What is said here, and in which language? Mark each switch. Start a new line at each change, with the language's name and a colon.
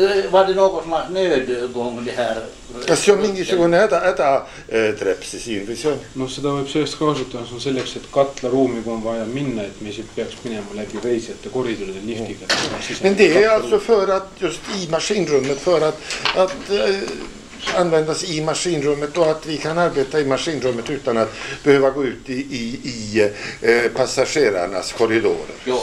Swedish: Var det något slags nödgång det här?
Estonian: Kas see on mingisugune häda trepsi siin või see on? No seda võib sellest kaasutada, see on selleks, et katla ruumi kui on vaja minna, et me siit peaks minema läbi reisijate koridoride liftiga.
Swedish: Men det är alltså för att just i maskinrummet, för att användas i maskinrummet och att vi kan arbeta i maskinrummet utan att behöva gå ut i passagerarnas korridorer.